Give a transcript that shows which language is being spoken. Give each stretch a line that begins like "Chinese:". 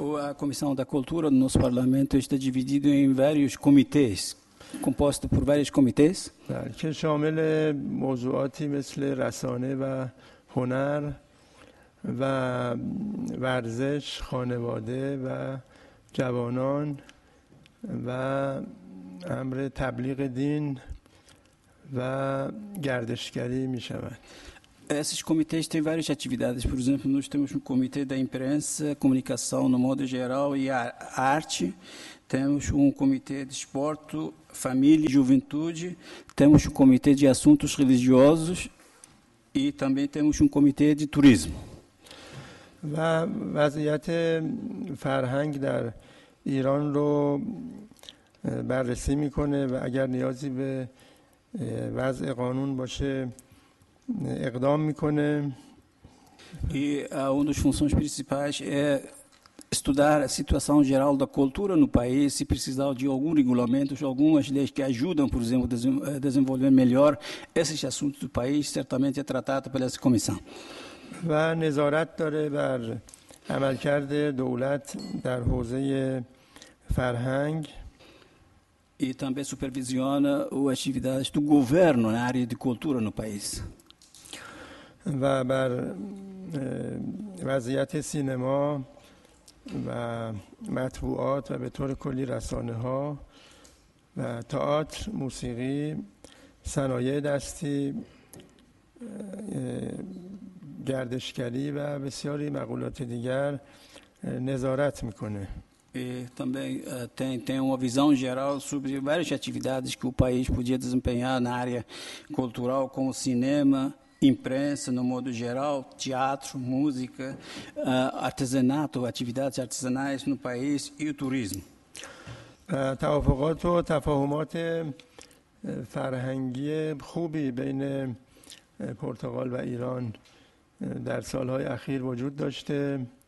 Portuguese: A Comissão da Cultura do nosso Parlamento está dividida em vários comitês. Composto por vários comitês. Que
Persian: شامل موضوعاتی مثل رسانه و هنر و ورزش، خانواده و جوانان و امر تبلیغ دین و گردشگری می شود.
Portuguese: Esses comitês têm várias atividades. Por exemplo, nós temos comitê da imprensa, comunicação no modo geral e arte. Temos comitê de esporte, família e juventude. Temos comitê de assuntos religiosos e também temos comitê de turismo.
Persian: و وضعیت فرهنگ در ایران رو بررسی میکنه و اگر نیازی به وضع قانون باشه اقدام میکنه.
Portuguese: E das funções principais é estudar a situação geral da cultura no país, se precisar de algum regulamento, algumas leis que ajudam, por exemplo, a desenvolver melhor esses assuntos do país, certamente é tratado pela essa comissão.
Persian: و نظارت داره بر عملکرد دولت در حوزه فرهنگ.
Portuguese: E também supervisiona as atividades do governo na área de cultura no país.
Persian: و بر وضعیت سینما و مطبوعات و به طور کلی رسانه ها و تئاتر، موسیقی، صنایع دستی، گردشگری و بسیاری مقولات دیگر نظارت میکنه.
Portuguese: E também tem uma visão geral sobre várias atividades que o país podia desempenhar na área cultural, como cinema, imprensa, no modo geral, teatro, música, artesanato, atividades artesanais no país e o turismo.
Persian: توافقات و تفاهمات فرهنگی خوبی بین پرتغال و ایران در سالهای اخیر وجود داشته.